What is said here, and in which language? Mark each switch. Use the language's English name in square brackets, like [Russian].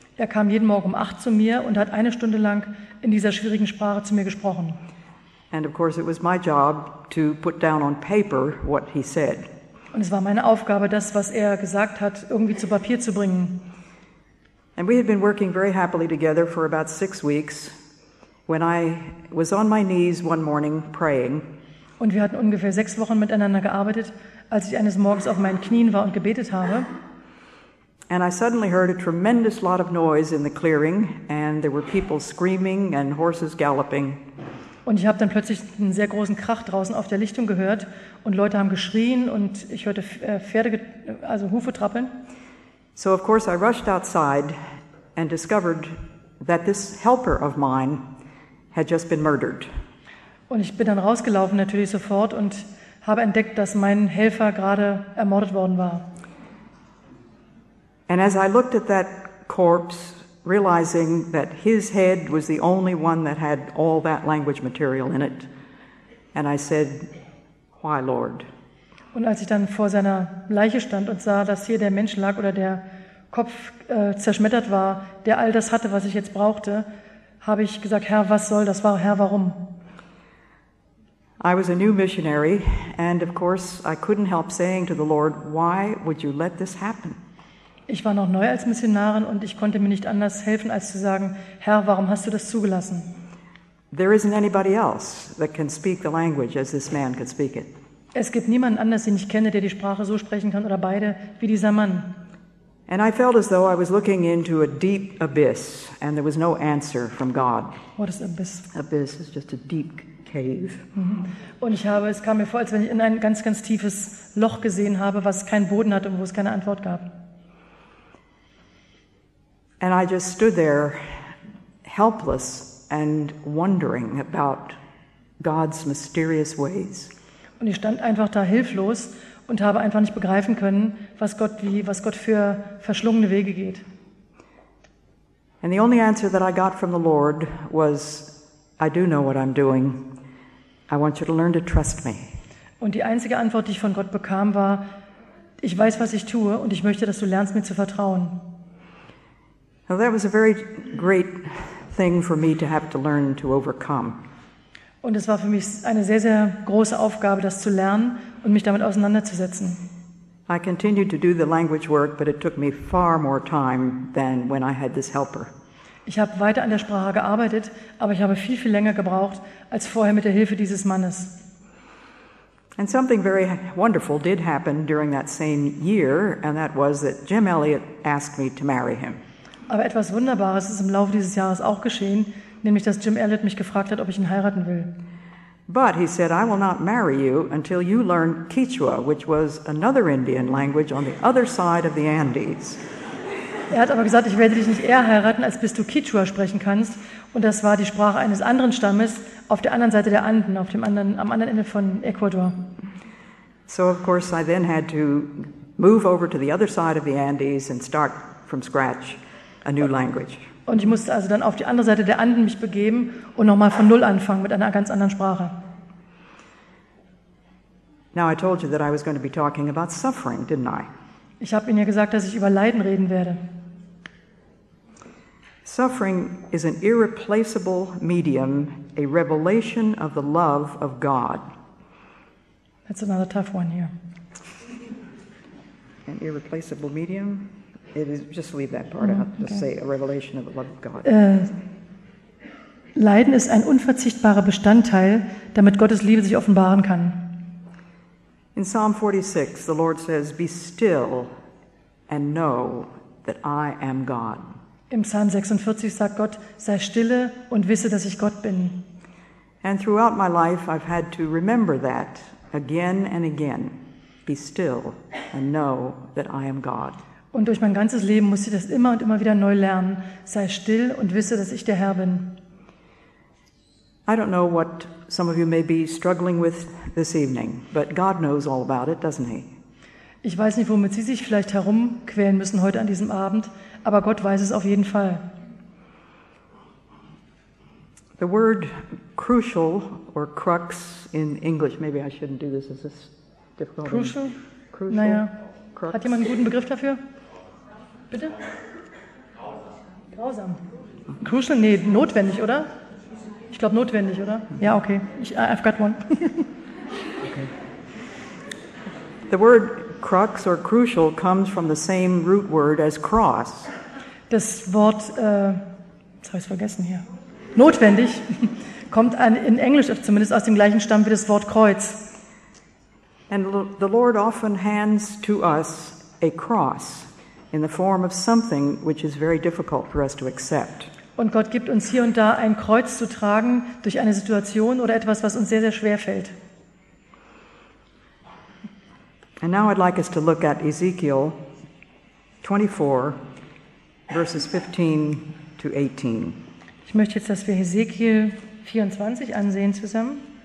[German] Er kam jeden Morgen um 8 zu mir und hat eine Stunde lang in dieser schwierigen Sprache zu mir gesprochen. [English] And of course it was my job to put down on paper what he said. [German] Und es war meine Aufgabe, das, was er gesagt hat, irgendwie zu Papier zu bringen. [English] And we had been working very happily together for about 6 weeks when I was on my knees one morning praying. [German] Und wir hatten ungefähr 6 Wochen miteinander gearbeitet, als ich eines Morgens auf meinen Knien war und gebetet habe. [English] And I suddenly heard a tremendous lot of noise in the clearing and there were people screaming and horses galloping. [German] Und ich habe dann plötzlich einen sehr großen Krach draußen auf der Lichtung gehört und Leute haben geschrien und ich hörte Pferde, also Hufe trappeln. [English] So of course I rushed outside and discovered that this helper of mine had just been murdered. [German] Und ich bin dann rausgelaufen natürlich sofort und habe entdeckt, dass mein Helfer gerade ermordet worden war. [English] And as I looked at that corpse, realizing that his head was the only one that had all that language material in it, and I said, "Why, Lord?" [German] Und als ich dann vor seiner Leiche stand und sah, dass hier der Mensch lag oder der Kopf zerschmettert war, der all das hatte, was ich jetzt brauchte, habe ich gesagt, Herr, was soll das? Herr, warum? [English] I was a new missionary, and of course, I couldn't help saying to the Lord, "Why would you let this happen?" [German] Ich war noch neu als Missionarin und ich konnte mir nicht anders helfen, als zu sagen, Herr, warum hast du das zugelassen? [English] There isn't anybody else that can speak the language as this man could speak it. [German] Es gibt niemanden anders, den ich kenne, der die Sprache so sprechen kann oder beide wie dieser Mann. [English] And I felt as though I was looking into a deep abyss and there was no answer from God. What is abyss? Abyss is just a deep cave. [German] Und es kam mir vor, als wenn ich in ein ganz, ganz tiefes Loch gesehen habe, was keinen Boden hat und wo es keine Antwort gab. [English] And I just stood there, helpless and wondering about God's mysterious ways. [German] Und ich stand einfach da hilflos und habe einfach nicht begreifen können, was Gott für verschlungene Wege geht. [English] And the only answer that I got from the Lord was, I do know what I'm doing. I want you to learn to trust me. [German] Und die einzige Antwort, die ich von Gott bekam, war, ich weiß, was ich tue und ich möchte, dass du lernst, mir zu vertrauen. [English] Now that was a very great thing for me to have to learn to overcome. [German] Und es war für mich eine sehr, sehr große Aufgabe, das zu lernen und mich damit auseinanderzusetzen. [English] I continued to do the language work, but it took me far more time than when I had this helper. [German] Ich habe weiter an der Sprache gearbeitet, aber ich habe viel, viel länger gebraucht als vorher mit der Hilfe dieses Mannes. [English] And something very wonderful did happen during that same year, and that was that Jim Elliot asked me to marry him. [German] Aber etwas Wunderbares ist im Laufe dieses Jahres auch geschehen, nämlich dass Jim Elliot mich gefragt hat, ob ich ihn heiraten will. [English] But he said, I will not marry you until you learn Quechua, which was another Indian language on the other side of the Andes. [German] Er hat aber gesagt, ich werde dich nicht eher heiraten, als bis du Quechua sprechen kannst. Und das war die Sprache eines anderen Stammes auf der anderen Seite der Anden, auf dem anderen, am anderen Ende von Ecuador. [English] So of course I then had to move over to the other side of the Andes and start from scratch a new language. [German] Und ich musste also dann auf die andere Seite der Anden mich begeben und nochmal von Null anfangen mit einer ganz anderen Sprache. [English] Now I told you that I was going to be talking about suffering, didn't I? [German] Ich habe Ihnen ja gesagt, dass ich über Leiden reden werde. [English] Suffering is an irreplaceable medium, a revelation of the love of God. That's another tough one here. An irreplaceable medium? It is, just leave that part out. Just say a revelation of the love of God. [German] Leiden ist ein unverzichtbarer Bestandteil, damit Gottes Liebe sich offenbaren kann. [English] In Psalm 46, the Lord says, "Be still and know that I am God." [German] Im Psalm 46 sagt Gott, sei stille und wisse, dass ich Gott bin. [English] And throughout my life, I've had to remember that again and again. Be still and know that I am God. [German] Und durch mein ganzes Leben musste ich das immer und immer wieder neu lernen. Sei still und wisse, dass ich der Herr bin. [English] I don't know what some of you may be struggling with this evening, but God knows all about it, doesn't he? [German] Ich weiß nicht, womit Sie sich vielleicht herumquälen müssen heute an diesem Abend, aber Gott weiß es auf jeden Fall. [English] The word crucial or crux in English, maybe I shouldn't do this, is this difficult? Crucial? Crucial? [German] Naja. [English] Crux. [German] Hat jemand einen guten Begriff dafür? Bitte? Grausam. Crucial? Nee, notwendig, oder? Ich glaube, notwendig, oder? Ja, [English] okay. I've got one. Okay. The word crux or crucial comes from the same root word as cross. [German] Das Wort, jetzt habe ich es vergessen hier, notwendig, kommt in Englisch zumindest aus dem gleichen Stamm wie das Wort Kreuz. [English] And the Lord often hands to us a cross in the form of something which is very difficult for us to accept. [German] Und Gott gibt uns hier und da ein Kreuz zu tragen durch eine Situation oder etwas, was uns sehr, sehr schwer fällt. [English] And now I'd like us to look at Ezekiel 24, verses 15 to 18. [German] Ich möchte jetzt, dass wir Ezekiel 24 ansehen zusammen.